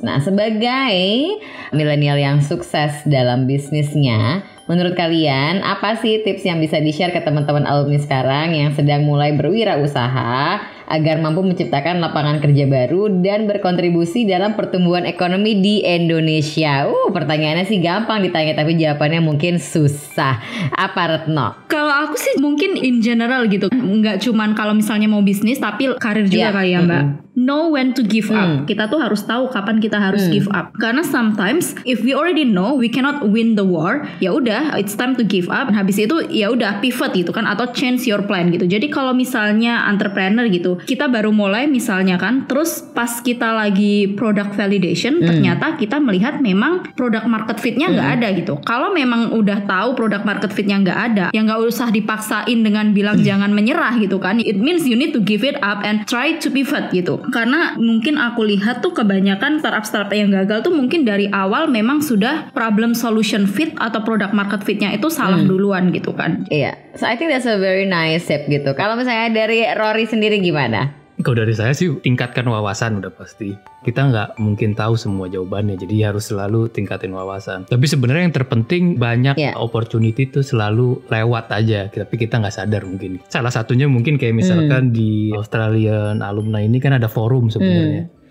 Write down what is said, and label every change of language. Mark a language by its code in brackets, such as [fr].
[id] Nah sebagai milenial yang sukses dalam bisnisnya, menurut kalian apa sih tips yang bisa di-share ke teman-teman alumni sekarang yang sedang mulai berwirausaha agar mampu menciptakan lapangan kerja baru dan berkontribusi dalam pertumbuhan ekonomi di Indonesia? Pertanyaannya sih gampang ditanya, tapi jawabannya mungkin susah. Apa Retno? Kalau aku sih mungkin [en] in general [id] gitu, nggak cuman kalau misalnya mau bisnis, tapi karir juga kali ya Mbak. [en] Know when to give up. [id] Kita tuh harus tahu kapan kita harus give up. Karena [en] sometimes if we already know we cannot win the war, [id] ya udah [en] it's time to give up. [id] Habis itu ya udah pivot gitu kan, atau [en] change your plan [id] gitu. Jadi kalau misalnya entrepreneur gitu, kita baru mulai misalnya kan, terus pas kita lagi product validation ternyata kita melihat memang product market fitnya nggak ada gitu. Kalau memang udah tahu product market fitnya nggak ada, ya nggak usah dipaksain dengan bilang jangan menyerah gitu kan. [en] It means you need to give it up and try to pivot gitu. [id] Karena mungkin aku lihat tuh kebanyakan startup-startup yang gagal tuh mungkin dari awal memang sudah problem solution fit atau product market fitnya itu salah duluan gitu kan. Iya, [en] so I think that's a very nice tip gitu. [id] Kalau misalnya dari Rory sendiri gimana? Kalau dari saya sih tingkatkan wawasan udah pasti. Kita nggak mungkin tahu semua jawabannya, jadi harus selalu tingkatin wawasan. Tapi sebenarnya yang terpenting banyak opportunity tuh selalu lewat aja, tapi kita nggak sadar mungkin. Salah satunya mungkin kayak misalkan di Australian Alumni ini kan ada forum sebenarnya.